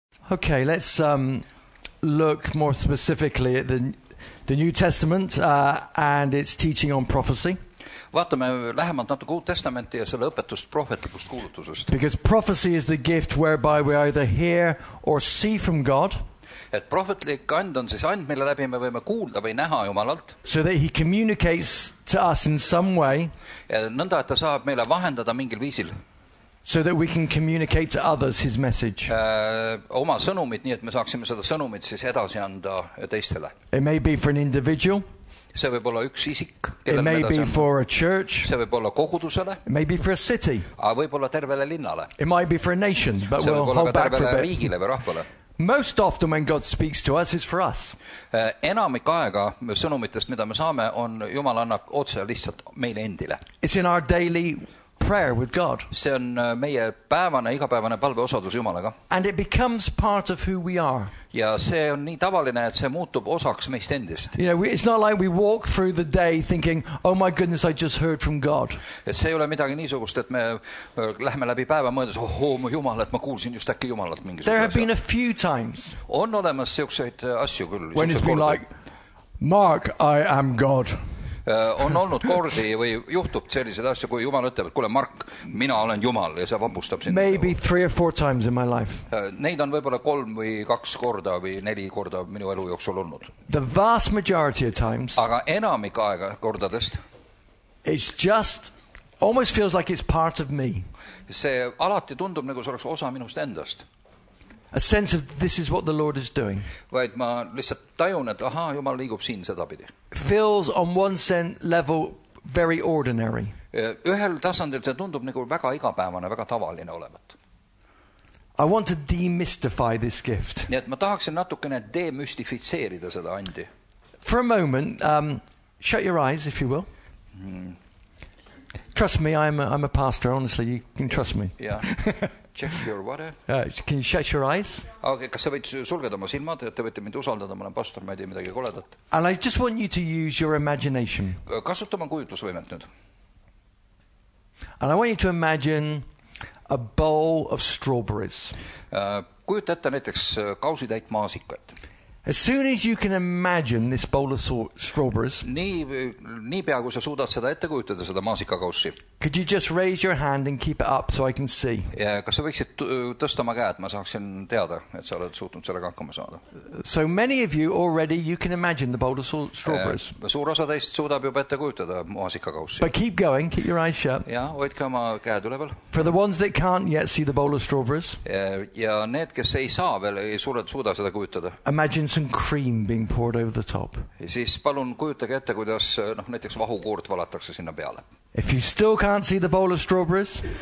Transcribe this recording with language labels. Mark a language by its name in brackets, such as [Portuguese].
[English] Okay, let's look more specifically at the New Testament and its teaching on prophecy. [Estonian] Vaatame lähemalt natuke Uut Testamenti ja selle õpetust prohvetlikust kuulutusest. [English] Because prophecy is the gift whereby we either hear or see from God. [Estonian] Et prohvetlik and on siis and, mille läbi me võime kuulda või näha Jumalalt. [English] So that he communicates to us in some way. [Estonian] Ja nõnda, et ta saab meile vahendada mingil viisil. [English] So that we can communicate to others his message. [Estonian] Oma sõnumid, nii et me saaksime seda sõnumid siis edasi anda teistele. [English] It may be for an individual. [Estonian] See võib olla üks isik, kellele me edasi anda. [English] It may be for a church. [Estonian] See võib olla kogudusele. [English] It may be for a city. [Estonian] Aga võib olla tervele linnale. [English] It might be for a nation, but [Estonian] see [English] we'll hold back for a bit. [Estonian] Riigile või rahvale. [English] Most often when God speaks to us, it's for us. [Estonian] Enamik aega sõnumitest, mida me saame, on Jumal annab otse lihtsalt meile endile. [English] It's in our daily prayer with God. [Estonian] See on meie päevane, igapäevane palve osadus Jumalaga. [English] And it becomes part of who we are. [Estonian] Ja see on nii tavaline, et see muutub osaks meist endist. [English] You know, it's not like we walk through the day thinking, oh my goodness, I just heard from God. [Estonian] See ei ole midagi niisugust, et me lähme läbi päeva mõeldes, oh, oh, Jumal, et ma kuulsin just äkki Jumalalt mingisugust. [English] There have been a few times. [Estonian] On olemas siukseid asju küll. [English] When it's been like, Mark, I am God. [Estonian] On olnud kordi või juhtub sellised asja, kui Jumal ütleb, et kuule Mark, mina olen Jumal ja see vabustab sinna. [English] Maybe three or four times in my life. [Estonian] Neid on võibolla kolm või kaks korda või neli korda minu elu jooksul olnud. [English] The vast majority of times. [Estonian] Aga enamik aega kordadest. [English] It's just, almost feels like it's part of me. [Estonian] See alati tundub nagu see oleks osa minust endast. [English] A sense of this is what the Lord is doing. [Estonian] Vaid ma lihtsalt tajun, et aha, Jumal liigub siin seda pidi. [English] Feels on one sense level very ordinary. [Estonian] Ühel tasandil see tundub nagu väga igapäevane, väga tavaline olevat. [English] I want to demystify this gift. [Estonian] Nii et ma tahaksin natukene demystifitseerida seda andi. [English] For a moment, shut your eyes if you will. Trust me, I'm a pastor, honestly, you can trust me. Yeah. Check your water. Can you shut your eyes? [Estonian] Okay, kas sa võid sulgeda oma silmad, et te võite mind usaldada, ma olen pastor, ma ei tea midagi koledat. [English] And I just want you to use your imagination. [Estonian] Kasutama kujutlusvõimet nüüd. [English] And I want you to imagine a bowl of strawberries. [Estonian] Kujuta ette näiteks kausitäit maasikat. [English] As soon as you can imagine this bowl of strawberries, [Estonian] nii pea kui sa suudad seda ette kujutada, seda maasikakaussi. [English] Could you just raise your hand and keep it up so I can see? [Estonian] Yeah, kas sa võiksid tõsta oma käed, ma saaksin teada, et sa oled suutnud sellega hakkama saada. [English] So many of you already, you can imagine the bowl of strawberries. [Estonian] Suur osa teist suudab juba ette kujutada maasikakaussi. [English] But keep going, keep your eyes shut. [Estonian] Yeah, hoidke oma käed üleval. [English] For the ones that can't yet see the bowl of strawberries. [Estonian] Ja need, kes ei saa veel, ei suuda seda kujutada. [English] Imagine some cream being poured over the top. [Estonian] Ja siis palun kujutage ette, kuidas näiteks vahukoort valatakse sinna peale. [English] If you still can't see the bowl of strawberries,